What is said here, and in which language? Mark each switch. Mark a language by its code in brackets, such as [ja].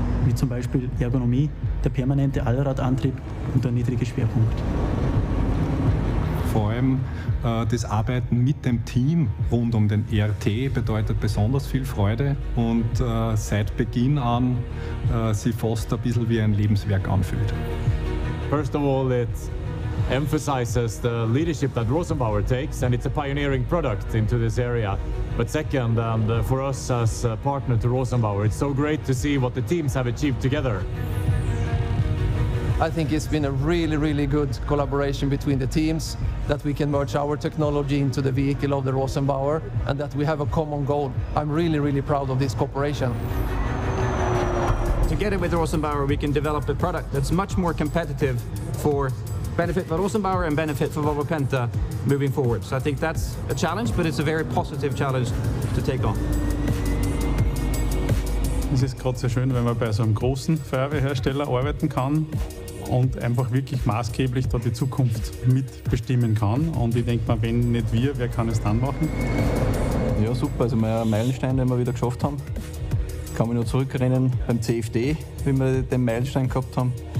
[de] Wie zum Beispiel Ergonomie, der permanente Allradantrieb und der niedrige Schwerpunkt. Vor allem das Arbeiten mit dem Team rund um den ERT bedeutet besonders viel Freude und seit Beginn an sich fast ein bisschen wie ein Lebenswerk anfühlt. [en] First of all, it's emphasizes the leadership that Rosenbauer takes, and it's a pioneering product into this area. But second, and for us as a partner to Rosenbauer, it's so great to see what the teams have achieved together. I think it's been a really, really good collaboration between the teams, that we can merge our technology into the vehicle of the Rosenbauer, and that we have a common goal. I'm really, really proud of this cooperation. Together with Rosenbauer, we can develop a product that's much more competitive for benefit for Rosenbauer and benefit for Volvo Penta moving forward. So I think that's a challenge, but it's a very positive challenge to take on. [de] Es ist gerade so schön, wenn man bei so einem großen Feuerwehrhersteller arbeiten kann und einfach wirklich maßgeblich da die Zukunft mitbestimmen kann. Und ich denke mal, wenn nicht wir, wer kann es dann machen? Ja, super. Also ein Meilenstein, den wir wieder geschafft haben. Ich kann mich noch zurückerinnern beim CFD, wie wir den Meilenstein gehabt haben.